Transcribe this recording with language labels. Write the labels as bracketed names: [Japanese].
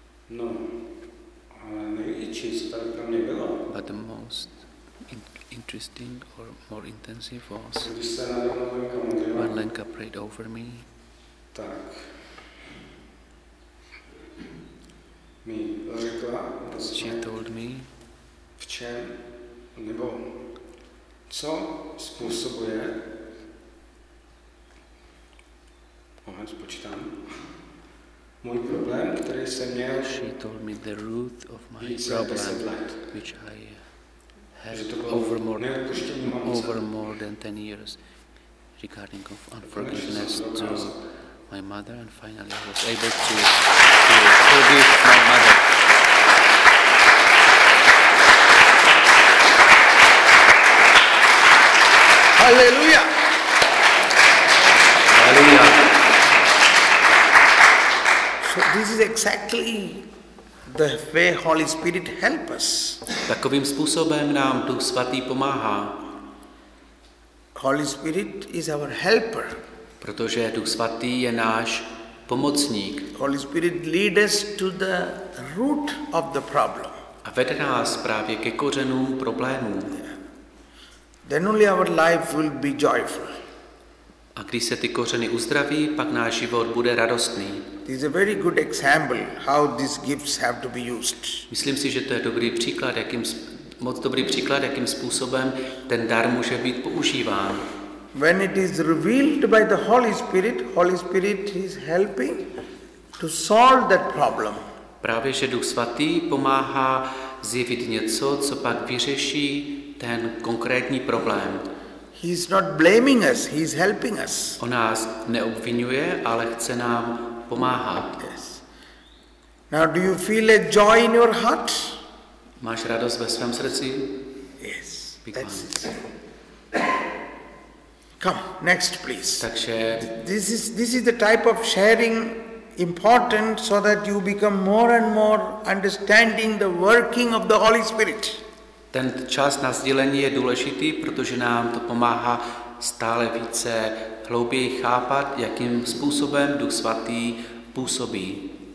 [Czech] No, ale největší, co tady pro mě bylo. [English] But the most interesting or more intensive was when Lenka prayed over me. [Czech] Tak. Mi řekla, [English] she told me, [Czech] v čem, nebo co způsobuje, moment, spočítám, můj problém, který jsem měl, [English] she told me the root of my problem, which I had over more than 10 years regarding of unforgiveness to my mother, and finally I was able to forgive my mother. Hallelujah! Hallelujah! So this is exactly the way Holy Spirit help us. [Czech] Takovým způsobem nám Duch Svatý pomáhá. [English] Holy Spirit is our helper. [Czech] Protože Duch Svatý je náš pomocník. [English] Holy Spirit lead us to the root of the problem. [Czech] A vede nás právě ke kořenům problémů. [English] Then only our life will be joyful. [Czech] A když se ty kořeny uzdraví, pak náš život bude radostný. [English] This is a very good example how these gifts have to be used. [Czech] Myslím si, že to je dobrý příklad, jakým způsobem ten dar může být používán. [English] When it is revealed by the Holy Spirit is helping to solve that problem. [Czech] Právě že Duch Svatý pomáhá zjevit něco, co pak vyřeší ten konkrétní problém. [English] He is not blaming us, he is helping us. [Czech] On nás neobvinuje, ale chce nám pomáhat. [English] Yes. Now do you feel a joy in your heart? [Czech] Máš radost ve svém srdci? [English] Yes. Come, next please. [Czech] Takže [English] this is the type of sharing important so that you become more and more understanding the working of the Holy Spirit. [Czech] Ten čas na sdílení je důležitý, protože nám to pomáhá stále více hlouběji chápat, jakým způsobem Duch Svatý působí.